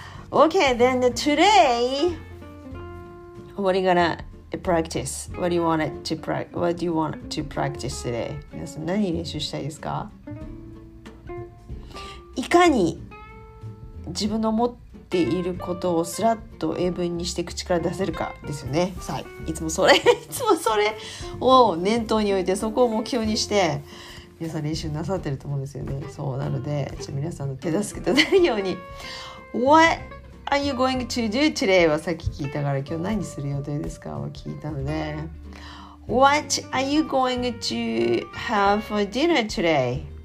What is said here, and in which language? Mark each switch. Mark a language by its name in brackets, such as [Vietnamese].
[English] Okay, then today what are you gonna practice? What do you want to practice today? [Japanese] 皆さん何練習したいですか？いかに自分の思っていることをスラッと英文にして口から出せるかですよね。さあ、いつもそれを念頭に置いて、そこを目標にして皆さん練習なさってると思うんですよね。そうなので、じゃ皆さんの手助けとなるように。 [English] What are you going to do today? [Japanese] はさっき聞いたから、今日何する予定ですかを聞いたので。 [English] What are you going to have for dinner today?